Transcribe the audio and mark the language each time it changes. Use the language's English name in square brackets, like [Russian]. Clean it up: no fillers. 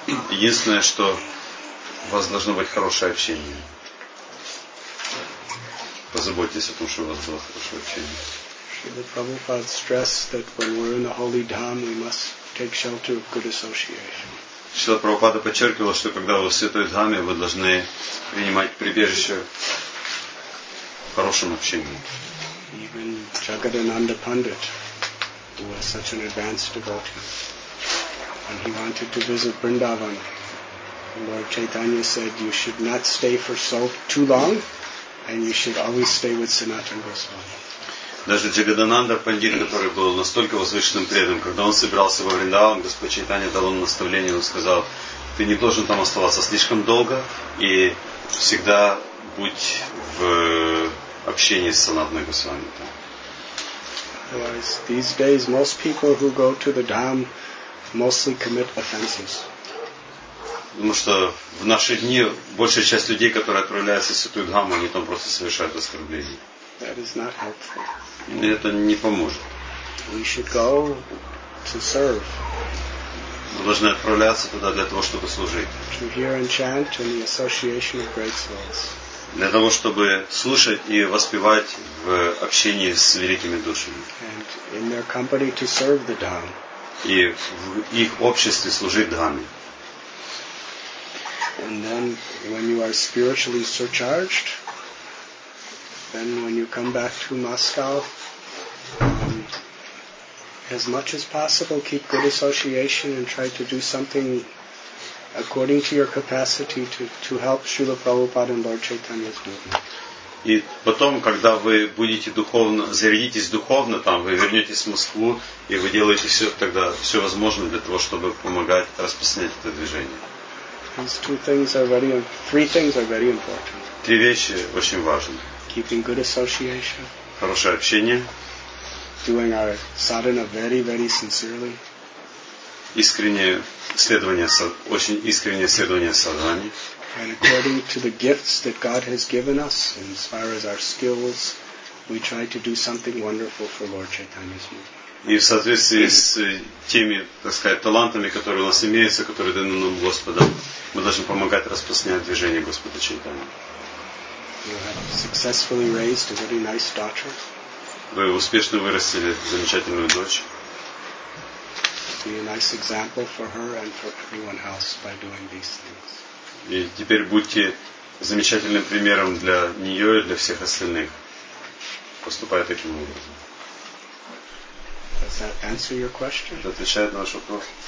[Russian] Единственное, что у вас должно быть хорошее общение. Позаботьтесь о том, чтобы у вас было хорошее общение. [English] Srila Prabhupada stressed that when we're in the holy dham, we must take shelter of good association. [Russian] Srila Prabhupada подчеркивал, что когда вы в святой дхаме, вы должны принимать прибежище в хорошем общении. [English] Even Jagadananda Pandit, who was such an advanced devotee, when he wanted to visit Vrindavan, Lord Chaitanya said, you should not stay for so too long, and you should always stay with Sanatana Goswami. [Russian] Даже Джагадананда Пандит, который был настолько возвышенным преданным, когда он собирался во Вриндаван, Господь Чайтанья дал ему наставление, он сказал, ты не должен там оставаться слишком долго, и всегда будь в общение с Санатной Госвами. [English] Otherwise, these days most people who go to the dham mostly commit offenses. [Russian] Потому что в наши дни большая часть людей, которые отправляются в Святую Дхаму, они там просто совершают оскорбления. [English] That is not helpful. [Russian] Это не поможет. [English] We should go to serve. [Russian] Мы должны отправляться туда для того, чтобы служить. [English] To hear and chant in the association of great souls. [Russian] Для того, чтобы слушать и воспевать в общении с великими душами. [English] And in their company to serve the dham. [Russian] И в их обществе служить дхаме. [English] And then when you are spiritually surcharged, then when you come back to Moscow, as much as possible, keep good association and try to do something according to your capacity to help Srila Prabhupada and Lord Chaitanya's movement. [Russian] И потом, когда вы будете духовно, зарядитесь духовно, там вы вернетесь в Москву, и вы делаете все, тогда все возможное для того, чтобы помогать распространять это движение. Три вещи очень важны. [English] Keeping good association. [Russian] Хорошее общение. [English] Doing our sadhana very, very sincerely. [Russian] Искреннее следование, очень искреннее следование садхане. [English] And according to the gifts that God has given us, and as far as our skills, we try to do something wonderful for Lord Chaitanya's movement. [Russian] И в соответствии с теми, так сказать, талантами, которые у нас имеются, которые даны нам Господом, мы должны помогать распространять движение Господа Чайтани. [English] You have successfully raised a very nice daughter. [Russian] Вы успешно вырастили замечательную дочь. [English] Be a nice example for her and for everyone else by doing these things. [Russian] И теперь будьте замечательным примером для нее и для всех остальных, поступая таким образом. [English] Does that answer your question? [Russian] Это отвечает на ваш вопрос.